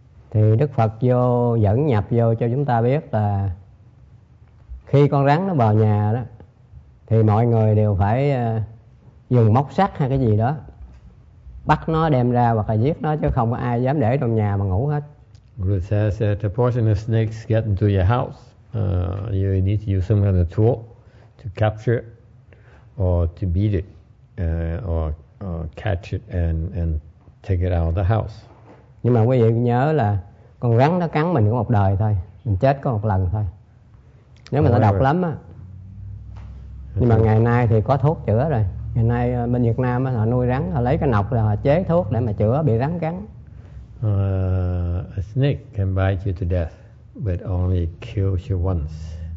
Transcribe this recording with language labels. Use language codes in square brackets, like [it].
[vi] Thì Đức Phật vô dẫn nhập vô cho chúng ta biết là khi con rắn nó vào nhà đó thì mọi người đều phải dùng móc sắt hay cái gì đó bắt nó đem ra hoặc là giết nó chứ không có ai dám để trong nhà mà ngủ hết. [en] It says that the poisonous snakes get into your house. You need to use some kind of tool to capture it or to beat it or catch it and take it out of the house. [vi] Nhưng mà quý vị nhớ là con rắn nó cắn mình có một đời thôi, mình chết có một lần thôi. Nếu mà nó độc lắm á. Nhưng mà ngày nay thì có thuốc chữa rồi. Ngày nay bên Việt Nam á họ nuôi rắn, họ lấy cái nọc rồi họ chế thuốc để mà chữa bị rắn cắn. [en] A snake can bite you to death, but only kills you once.